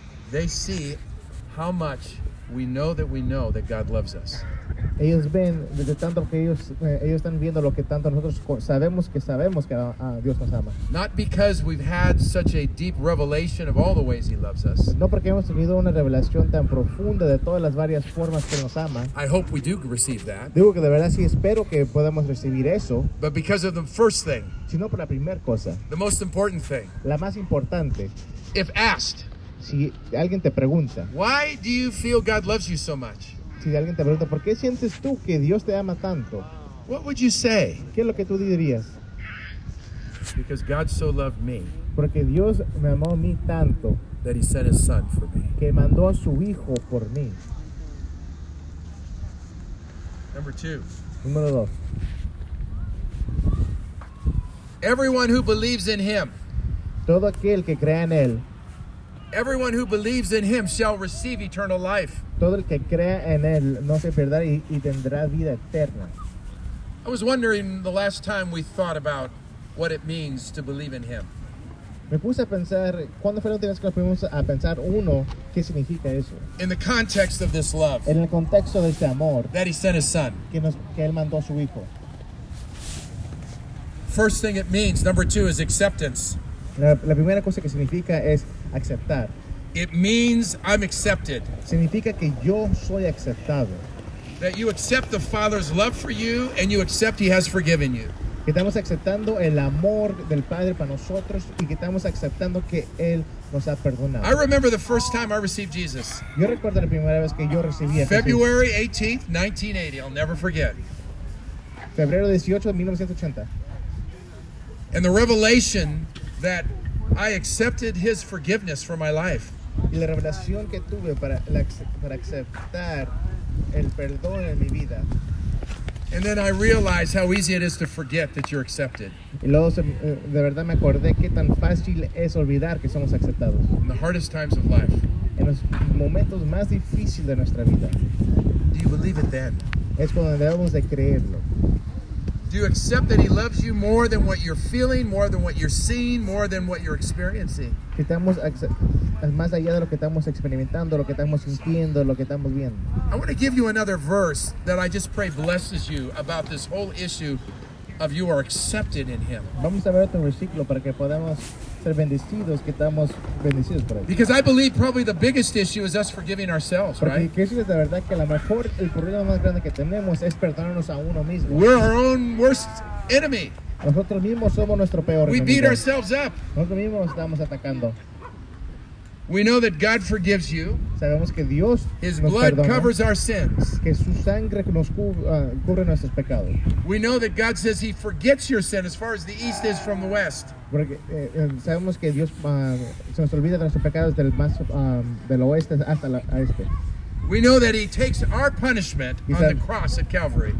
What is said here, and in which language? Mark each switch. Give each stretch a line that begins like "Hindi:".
English: They see how much we know that we know that God loves us.
Spanish: Ellos ven desde tanto que ellos están viendo lo que tanto nosotros sabemos que Dios nos ama.
English: Not because we've had such a deep revelation of all the ways he loves us.
Spanish: No porque hemos tenido una revelación tan profunda de todas las varias formas que nos ama.
English: I hope we do receive that.
Spanish: Digo que de verdad sí espero que podamos recibir eso.
English: But because of the first thing.
Spanish: Sino por la primera cosa.
English: The most important thing.
Spanish: La más importante.
English: If asked.
Spanish: Si alguien te pregunta.
English: Why do you feel God loves you so much?
Spanish: Si alguien te pregunta, ¿por qué sientes tú que Dios te ama tanto?
English: What would you say?
Spanish: ¿Qué es lo que tú dirías?
English: Because God so loved me.
Spanish: Porque Dios me amó a mí tanto.
English: That he sent his son for me.
Spanish: Que mandó a su hijo por mí.
English: Number two.
Spanish: Número dos.
English: Everyone who believes in him.
Spanish: Todo aquel que crea en él.
English: Everyone who believes in him shall receive eternal life.
Spanish: Todo el que crea en él no se perderá y tendrá vida eterna.
English: I was wondering the last time we thought about what it means to believe in him.
Spanish: Me puse a pensar, ¿cuándo fue la última vez que nos pusimos a pensar uno qué significa eso?
English: In the context of this love.
Spanish: En el contexto de este amor.
English: That he sent his son.
Spanish: Que él mandó a su hijo.
English: First thing it means, number two, is acceptance.
Spanish: La primera cosa que significa es aceptar.
English: It means I'm accepted.
Spanish: Significa que yo soy aceptado.
English: That you accept the Father's love for you and you accept he has forgiven you.
Spanish: Que estamos aceptando el amor del Padre para nosotros y que estamos aceptando que él nos ha perdonado.
English: I remember the first time I received Jesus.
Spanish: Yo recuerdo la primera vez que yo recibí a Jesús.
English: February 18th, 1980. I'll never forget.
Spanish: Febrero 18, 1980.
English: And the revelation that I accepted his forgiveness for my life.
Spanish: Y la revelación que tuve para aceptar el perdón en mi vida.
English: And then I realized how easy it is to forget that you're accepted.
Spanish: Y luego de verdad me acordé qué tan fácil es olvidar que somos aceptados.
English: In the hardest times of life.
Spanish: En los momentos más difíciles de nuestra vida.
English: Do you believe it then?
Spanish: Es cuando debemos de creerlo.
English: Do you accept that he loves you more than what you're feeling, more than what you're seeing, more than what you're experiencing?
Spanish: Que estamos más allá de lo que estamos experimentando, lo que estamos sintiendo, lo que estamos viendo.
English: I want to give you another verse that I just pray blesses you about this whole issue of you are accepted in him.
Spanish: Vamos a ver otro versículo para que podamos ser bendecidos, que estamos bendecidos por él.
English: Because I believe probably the biggest issue is us forgiving ourselves,
Spanish: porque
English: right?
Spanish: Porque la verdad que la mejor, el problema más grande que tenemos es perdonarnos a uno mismo.
English: We're our own worst enemy.
Spanish: Nosotros mismos somos nuestro peor enemigo.
English: We beat ourselves up.
Spanish: Nosotros mismos nos estamos atacando.
English: We know that God forgives you.
Spanish: Sabemos que Dios
English: His
Spanish: nos
English: blood
Spanish: perdona.
English: Covers our sins.
Spanish: Que su sangre nos cubre nuestros pecados.
English: We know that God says He forgets your sin as far as the east is from the west.
Spanish: Porque sabemos que Dios se nos olvida de nuestros pecados del más del oeste hasta el este.
English: We know that He takes our punishment on the cross at Calvary.